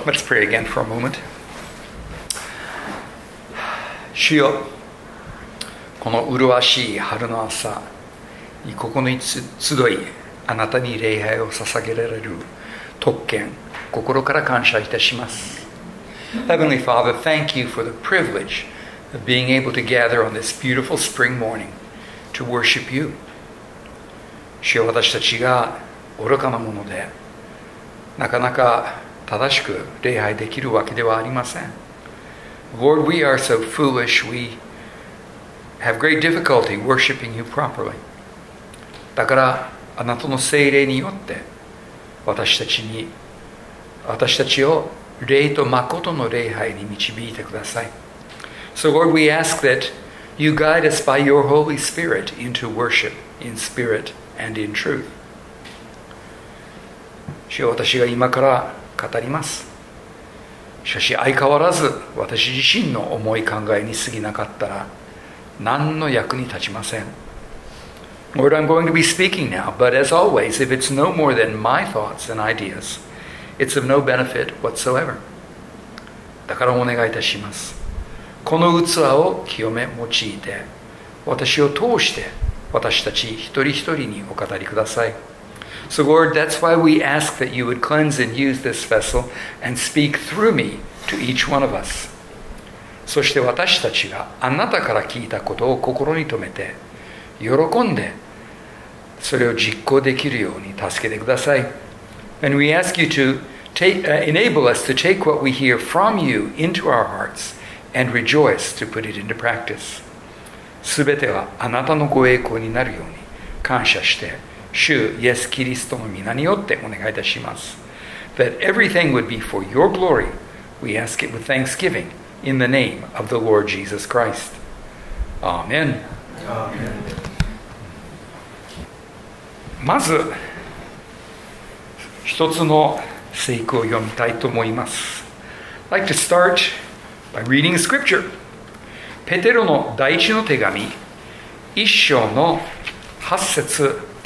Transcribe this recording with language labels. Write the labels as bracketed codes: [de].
[en] Let's pray again for a moment. [ja] 主よ、この麗しい春の朝、ここに集いあなたに礼拝を捧げられる特権、心から感謝いたします。 [en] Heavenly Father, thank you for the privilege of being able to gather on this beautiful spring morning to worship you. [ja] 主よ、私たちが愚かなものでなかなか正しく礼拝できるわけではありません。 [en] Lord, we are so foolish, we have great difficulty worshiping you properly. [ja] だからあなたの聖霊によって私たちを霊と誠の礼拝に導いてください。 [en] So Lord, we ask that you guide us by your Holy Spirit into worship in spirit and in truth. [ja] 主よ、私が今から語ります。しかし相変わらず私自身の思い考えに過ぎなかったら何の役に立ちません。 [en] Lord, I'm going to be speaking now, but as always, if it's no more than my thoughts and ideas, it's of no benefit whatsoever. [ja] だからお願いいたします。この器を清め用いて、私を通して私たち一人一人にお語りください。 [en] So Lord, that's why we ask that you would cleanse and use this vessel and speak through me to each one of us. [ja] そして私たちがあなたから聞いたことを心に留めて、喜んでそれを実行できるように助けてください。 [en] And we ask you to enable us to take what we hear from you into our hearts and rejoice to put it into practice. [ja] すべてはあなたのご栄光になるように感謝して、主イエス・キリストの名によってお願いいたします。 [en] That everything would be for your glory, we ask it with thanksgiving in the name of the Lord Jesus Christ. Amen. Amen. [ja] まず、一つの聖句を読みたいと思います。 [en] I'd like to start by reading scripture. [ja] ペテロの第一の手紙、一章の八節。